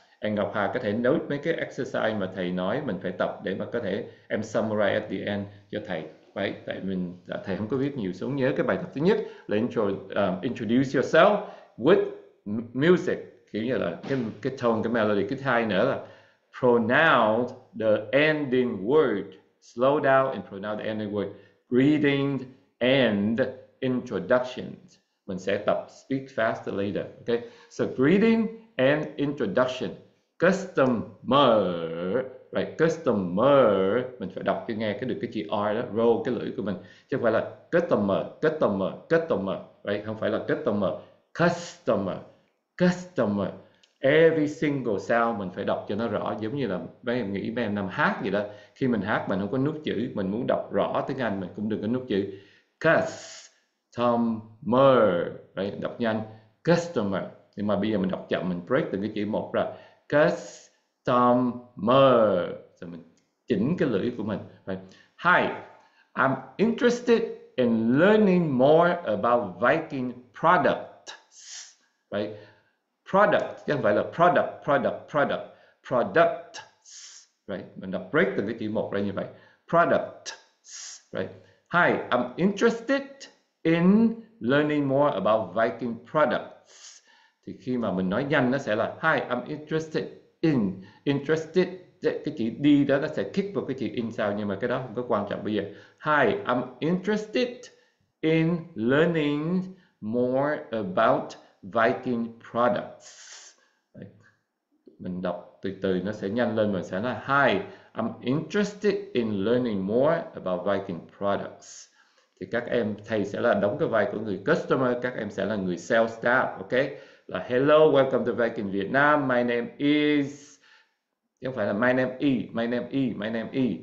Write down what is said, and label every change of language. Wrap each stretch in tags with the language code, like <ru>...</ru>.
<vi>Anh Ngọc Hà có thể note mấy cái exercise mà thầy nói mình phải tập để mà có thể em</vi> <en>summarize at the end</en> <vi>cho thầy. Vậy tại mình thầy không có viết nhiều xuống. Nhớ cái bài tập thứ nhất là</vi> <en>introduce yourself with music,</en> <vi>kiểu như là cái tone, cái melody. Cái hai nữa là</vi> <en>pronounce the ending word, slow down and pronounce the ending word, reading and introductions.</en> <vi>Mình sẽ tập</vi> <en>speak faster later. Okay, so greeting and introduction. Customer, right? Customer,</en> <vi>mình phải đọc cho nghe cái được cái chữ R đó, roll cái lưỡi của mình, chứ không phải là customer, customer, customer, right? Không phải là customer, customer, customer.</vi> <en>Every single sound</en> <vi>mình phải đọc cho nó rõ, giống như là mấy em nghĩ mấy em nằm hát vậy đó. Khi mình hát mình không có nuốt chữ, mình muốn đọc rõ tiếng Anh mình cũng đừng có nuốt chữ.</vi> <en>Customer, right?</en> <vi>Đọc nhanh,</vi> <en>customer.</en> <vi>Nhưng mà bây giờ mình đọc chậm, mình break từng cái chữ một ra. Customer. Rồi mình chỉnh cái lưỡi của mình.</vi> <en>Right. Hi, I'm interested in learning more about Viking products. Right. Product,</en> <vi>chứ không phải là</vi> <en>product, product, product. Products. Right.</en> <vi>Mình đọc break từng cái chữ một ra như vậy.</vi> <en>Products. Right. Hi, I'm interested in learning more about Viking products.</en> <vi>Thì khi mà mình nói nhanh nó sẽ là</vi> <en>Hi, I'm interested in.</en> <vi>Interested, cái chữ D đó nó sẽ kick vào cái chữ in sau, nhưng mà cái đó không có quan trọng bây giờ.</vi> <en>Hi, I'm interested in learning more about Viking products.</en> <vi>Mình đọc từ từ nó sẽ nhanh lên, mình sẽ nói</vi> <en>Hi, I'm interested in learning more about Viking products.</en> <vi>Thì các em, thầy sẽ là đóng cái vai của người customer, các em sẽ là người</vi> <en>sales staff,</en> <vi>ok?</vi> <en>Là hello, welcome to Viking Việt Nam. My name is,</en> <vi>không phải là</vi> <en>my name E, my name E, my name E.</en>